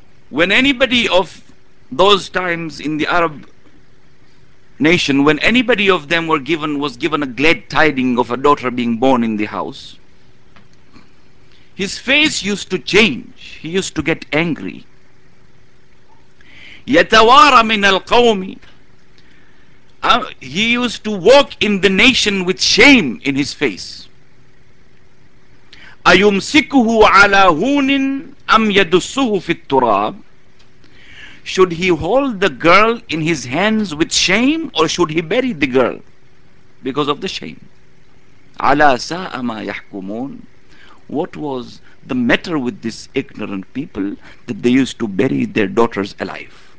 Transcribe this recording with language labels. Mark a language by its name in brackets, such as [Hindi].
[English] When anybody of those times in the Arab nation, when anybody of them was given a glad tiding of a daughter being born in the house, his face used to change, he used to get angry. [Arabic] يَتَوَارَ مِنَ الْقَوْمِ. [English] He used to walk in the nation with shame in his face. [Arabic] أَيُمْسِكُهُ عَلَى هُونٍ أَمْ يَدُسُّهُ فِي التُّرَابِ. [English] Should he hold the girl in his hands with shame, or should he bury the girl because of the shame? [Arabic] عَلَى سَاءَ مَا يَحْكُمُونَ. [English] What was the matter with these ignorant people that they used to bury their daughters alive?